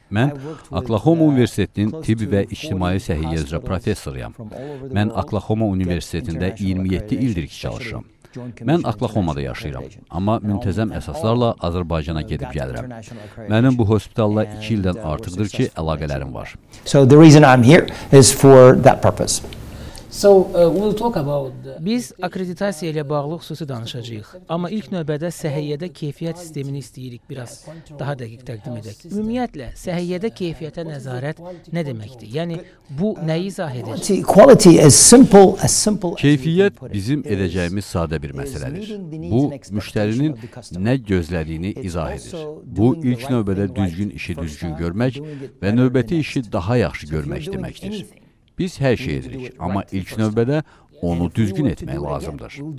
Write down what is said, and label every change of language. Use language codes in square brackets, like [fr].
[az] Mən Oklahoma Universitetinin tibb və ictimai səhiyyə üzrə professoruyam. Mən Oklahoma Universitetində 27 ildir ki çalışıram. Mən Oklahoma'da yaşayıram, amma müntəzəm əsaslarla Azərbaycana gedib gəlirəm. Mənim bu hospitalla 2 ildən artıqdır ki əlaqələrim var. [en] So the reason I'm here is for that purpose. So we'll talk about [az] Biz akreditasiya ilə bağlı xüsusi danışacağıq. Amma ilk növbədə səhiyyədə keyfiyyət sistemini istəyirik biraz daha dəqiq təqdim edək. Ümumiyyətlə səhiyyədə keyfiyyətə nəzarət nə deməkdir? Yəni bu nəyi izah edir? [en] Quality is simple as simple as [az] Keyfiyyət bizim edəcəyimiz sadə bir məsələdir. Bu müştərinin nə gözlədiyini izah edir. Bu ilk növbədə düzgün işi düzgün görmək və növbəti işi daha yaxşı görmək deməkdir. Biz hər şey edirik, amma ilk növbədə onu düzgün etmək lazımdır.